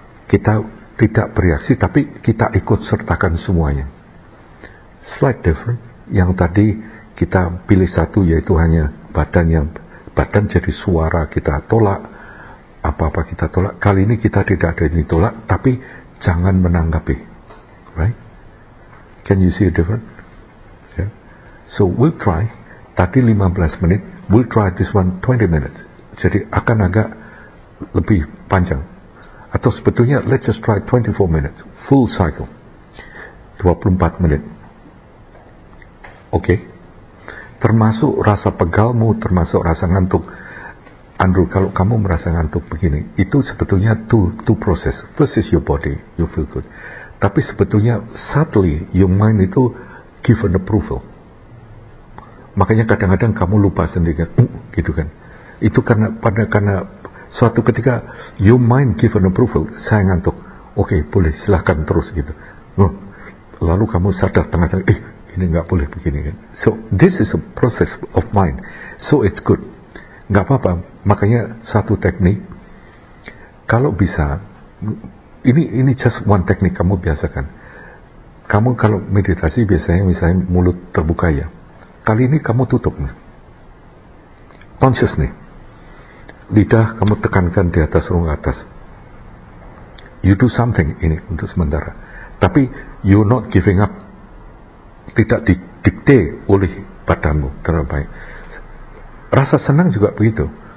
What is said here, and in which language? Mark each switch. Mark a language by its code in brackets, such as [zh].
[id] Kita tidak bereaksi, tapi kita ikut sertakan semuanya. [en] Slight different, [id] yang tadi kita pilih satu, yaitu hanya badan, yang badan jadi suara kita tolak. Apa-apa kita tolak, kali ini kita tidak ada yang ditolak, tapi jangan menanggapi. [en] Right? Can you see a difference? Yeah. So we'll try, [id] tadi 15 menit, [en] we'll try this one 20 minutes. [id] Jadi akan agak lebih panjang. Atau sebetulnya, [en] let's just try 24 minutes, full cycle. [id] 24 menit. [en] Okay. [id] Termasuk rasa pegalmu, termasuk rasa ngantuk. Andrew, kalau kamu merasa ngantuk begini, itu sebetulnya [en] two process. First is your body, you feel good. [id] Tapi sebetulnya, [en] subtly, your mind itu give an approval. [id] Makanya kadang-kadang kamu lupa sendiri, gitu kan. Itu karena suatu ketika, [en] your mind give an approval, [id] saya ngantuk. Okay, boleh, silahkan terus, gitu. Lalu kamu sadar tengah-tengah, ini gak boleh begini, kan. [en] So, this is a process of mind. So, it's good. [id] Gak apa-apa. Makanya satu teknik, kalau bisa, ini [en] just one [id] teknik kamu biasakan. Kamu kalau meditasi biasanya misalnya mulut terbuka ya. Kali ini kamu tutup. Conscious nih. Lidah kamu tekankan di atas rongga atas. [en] You do something [id] ini untuk sementara. Tapi [en] you're not giving up. [id] Tidak didikte oleh badanmu terlalu baik. Rasa senang juga begitu.